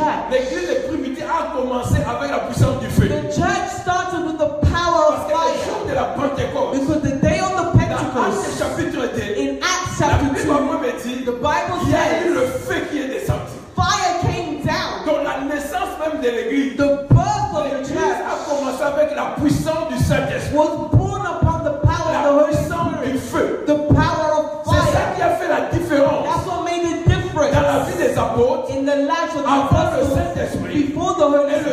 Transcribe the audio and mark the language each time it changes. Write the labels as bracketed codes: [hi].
[fr] L'église primitive a commencé avec la puissance du feu. [en] The church started with the power of fire. [fr] Parce que le jour de la Pentecôte. [en] Because the day of the Pentecôt. [fr] Dans chapitre 2. [en] In Acts chapter 2. [fr] La Bible dit. [en] The Bible says. [fr] Il y a eu le feu qui est descendu. [en] Fire came down. [fr] Dans la naissance même de l'église. [en] The birth of the church. [fr] A commencé avec la puissance du Saint-Esprit. [en] Was born upon the power of the Holy Spirit. [fr] La puissance du feu. [en] The power of fire. [fr] C'est ça qui a fait la différence. [en] That's what made it. [fr] Dans la vie des apôtres, [en] in the lives of the apostles, before the Holy Spirit,